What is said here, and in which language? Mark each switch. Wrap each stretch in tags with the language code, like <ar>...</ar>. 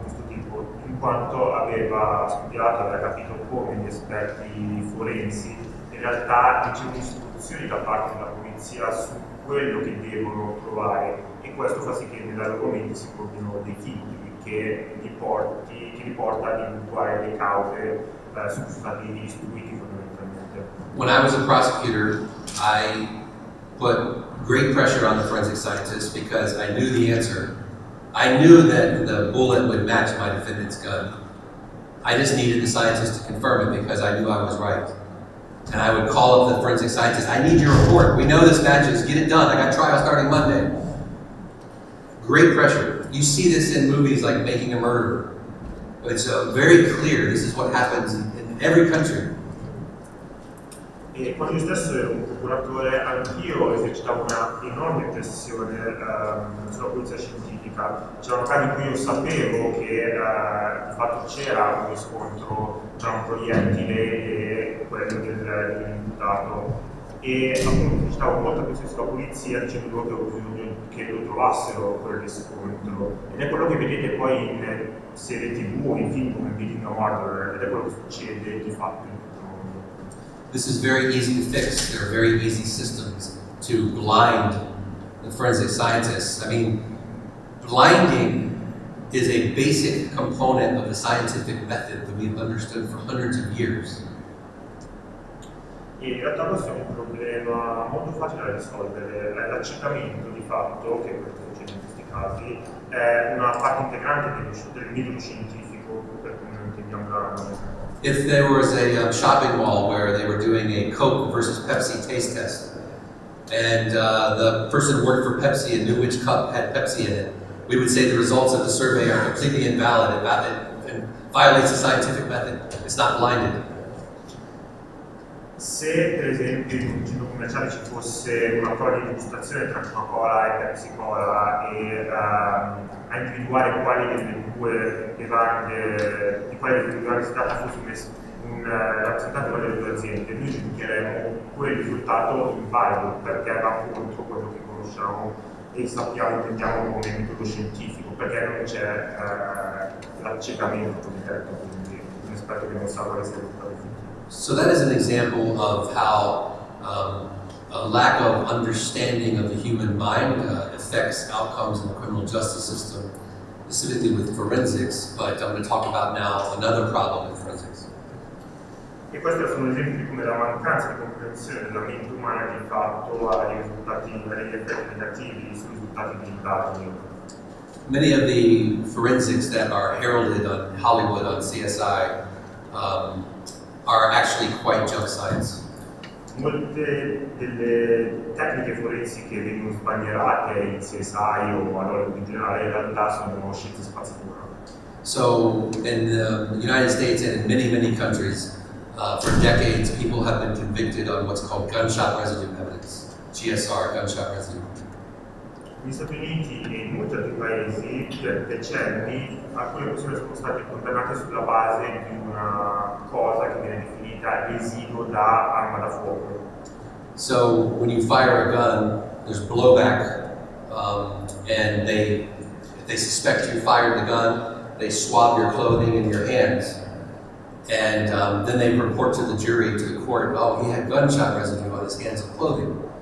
<it>In quanto aveva studiato, aveva capito come gli esperti forensi in realtà ricevono istruzioni da parte della polizia su quello che devono trovare, e questo fa sì che nella loro mente si formino dei filtri che li porta ad individuare le cause sui fattori distribuiti fondamentalmente.</it> <en>When I was a prosecutor, I put great pressure on the forensic scientists because I knew the answer. I knew that the bullet would match my defendant's gun. I just needed the scientist to confirm it because I knew I was right. And I would call up the forensic scientist, I need your report, we know this matches, get it done, I got trial starting Monday. Great pressure. You see this in movies like Making a Murderer. It's very clear, this is what happens in every country.</en> <it>E quando io stesso ero un procuratore, anch'io esercitavo una enorme pressione sulla polizia scientifica. C'erano casi in cui io sapevo che di fatto c'era un riscontro tra un proiettile e quello dell'imputato. E appunto esercitavo molta pressione sulla polizia dicendo che avevo bisogno che lo trovassero quel riscontro. Ed è quello che vedete poi in serie TV o in film come Being a Murderer, ed è quello che succede di fatto.</it> <en>This is very easy to fix. There are very easy systems to blind the forensic scientists. I mean, blinding is a basic component of the scientific method that we've understood for hundreds of years.</en> <it>In realtà questo è un problema molto facile da risolvere. L'accertamento, di fatto, che è quello che succede in questi casi, è una parte integrante del metodo scientifico, per come intendiamo la mano.</it> <en>If there was a shopping mall where they were doing a Coke versus Pepsi taste test, and the person worked for Pepsi and knew which cup had Pepsi in it, we would say the results of the survey are completely invalid. It violates the scientific method. It's not blinded.</en> <it>Se, per esempio, in un centro commerciale ci fosse una prova di degustazione tra Coca-Cola e Pepsi-Cola e a individuare quali delle due bevande, di quali delle due aziende fosse un rappresentante delle due aziende, noi giudicheremo quel risultato invalido perché va contro quello che conosciamo e sappiamo, intendiamo come metodo scientifico, perché non c'è l'accecamento di tempo, quindi un esperto che non sa quale sia il.</it> <en>So that is an example of how a lack of understanding of the human mind affects outcomes in the criminal justice system, specifically with forensics, but I'm going to talk about now another problem in forensics.</en> <it>E questi sono esempi come la mancanza di comprensione della mente umana di fatto ha dei risultati negativi sui risultati di indagini.</it> <en>Many of the forensics that are heralded on Hollywood, on CSI, are actually quite junk science.</en> <it>Molte delle tecniche forensi che vengono sbandierate in CSI o a Hollywood in generale in realtà sono scienze spazzatura.</it> <en>So in the United States and in many, many countries, for decades people have been convicted on what's called gunshot residue evidence, GSR, gunshot residue.</en> <it>Negli Stati Uniti e in molti altri paesi, per decenni, alcune persone sono state condannate sulla base di una cosa che viene definita residuo da arma da fuoco.</it> <en>So, when you fire a gun, there's blowback, and they suspect you fired the gun, they swab your clothing and your hands, and then they report to the jury, to the court, oh, he had gunshot residue on his hands and clothing.</en>